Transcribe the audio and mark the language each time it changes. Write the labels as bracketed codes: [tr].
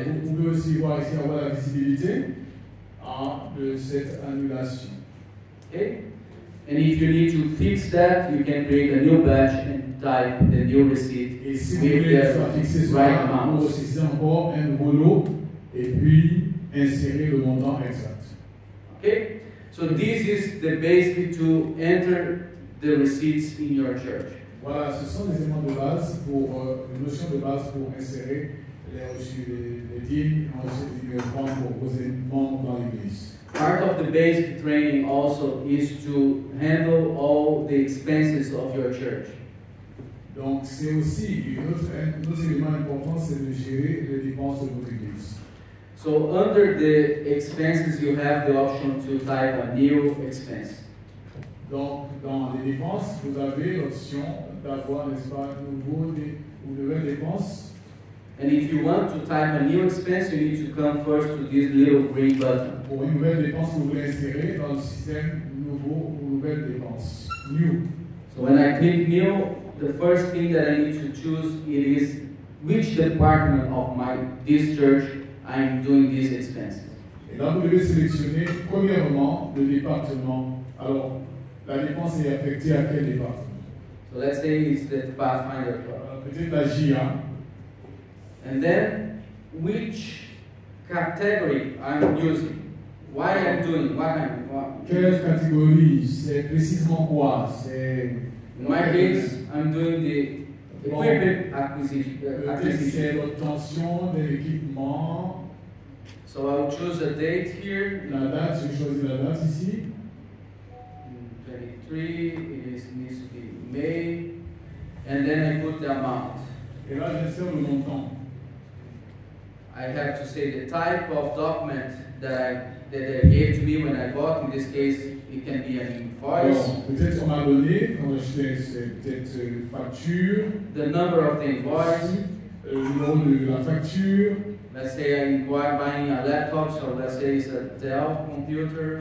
[fr] Vous pouvez aussi voir ici avoir la visibilité de cette annulation. [en] Okay. And if you need to fix that, you can create a new batch and type the new receipt with the right amount. [fr] Et puis insérer le montant exact. [en] Okay. So this is the basic to enter the receipts in your church. [fr] Voilà, ce sont les éléments de base pour une notion de base pour insérer les reçus des dîmes et les offrandes pour vos membres dans l'église. [en] Part of the basic training also is to handle all the expenses of your church. [fr] Donc c'est aussi un autre élément important, c'est de gérer les dépenses de votre église. [en] So under the expenses you have the option to type a new expense. [fr] Donc dans les dépenses, vous avez l'option d'avoir une nouvelle dépense. [en] And if you want to type a new expense, you need to come first to this little green button. [fr] Pour une nouvelle dépense, vous voulez insérer dans le système nouveau ou nouvelle dépense. [en] New. So when I click new, the first thing that I need to choose it is which department of this church I am doing these expenses. [fr] Et là, vous devez sélectionner premièrement le département. Alors, la dépense est affectée à quel département? [en] So let's say it's the Pathfinder Club. [fr] Peut-être la GIA. [en] And then, which category I'm using? Why I'm doing? [fr] Quelle catégorie? C'est précisément quoi? [en] In my case, I'm doing the equipment acquisition. [fr] C'est l'obtention de l'équipement. [en] So I'll choose a date here. [fr] La date, je choisis la date ici. [en] 23, it needs to be May. And then I put the amount. [fr] Et là, j'insère le montant. [en] I have to say the type of document that they gave to me when I bought. In this case, it can be an invoice. [fr] Peut-être on m'a donné quand j'achetais peut-être une facture. [en] The number of the invoice. [fr] Le nom de la facture. [en] Let's say I'm buying a laptop, so let's say it's a Dell computer.